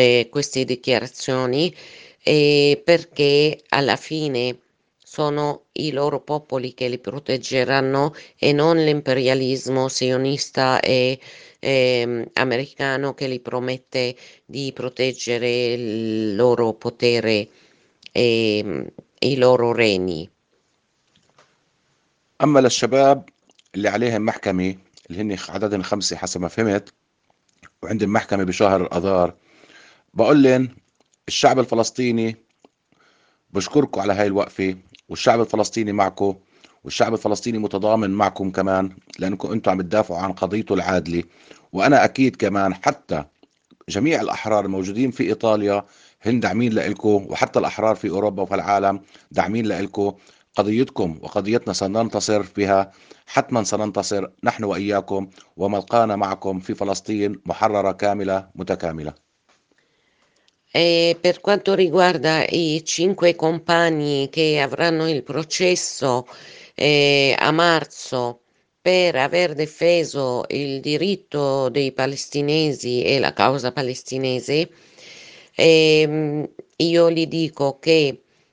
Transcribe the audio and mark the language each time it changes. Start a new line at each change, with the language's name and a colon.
Italian: queste dichiarazioni perché alla fine sono i loro popoli che li proteggeranno e non l'imperialismo sionista e americano che li promette di proteggere il loro potere i loro reni.
Arabic: أما للشباب اللي عليهم محكمة اللي هن عددهم خمسة حسب ما فهمت، وعندهم محكمة بشهر الأذار، بقول لهم الشعب الفلسطيني بشكركم على هاي الوقفة، والشعب الفلسطيني معكم، والشعب الفلسطيني متضامن معكم كمان، لأنكم أنتم عم تدافعوا عن قضيته العادلة، وأنا أكيد كمان حتى جميع الأحرار الموجودين في إيطاليا هن داعمين لإلكم، وحتى الأحرار في أوروبا وفي العالم داعمين لإلكم، قضيتكم وقضيتنا سننتصر فيها، حتما سننتصر نحن وإياكم، وملقانا معكم في فلسطين محررة كاملة متكاملة.
Italian: E per quanto riguarda i cinque compagni che avranno il processo a marzo per aver difeso il diritto dei palestinesi e la causa palestinese, io gli dico che